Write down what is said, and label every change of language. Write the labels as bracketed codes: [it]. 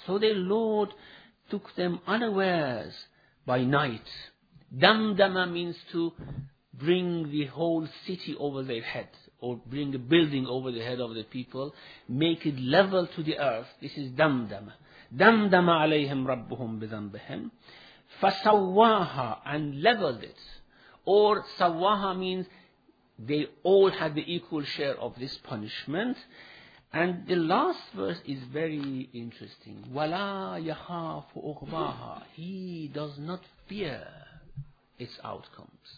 [en] So their Lord took them unawares by night. Damdama means to bring the whole city over their head, or bring a building over the head of the people, make it level to the earth. This is damdama. [ar] دَمْدَمَ عَلَيْهِمْ رَبُّهُمْ بِذَنْبِهِمْ فَسَوَّاهَا, [en] and leveled it. Or sawaha means they all had the equal share of this punishment. And the last verse is very interesting. [ar] وَلَا يَخَافُ أُغْبَاهَا. [en] He does not fear its outcomes.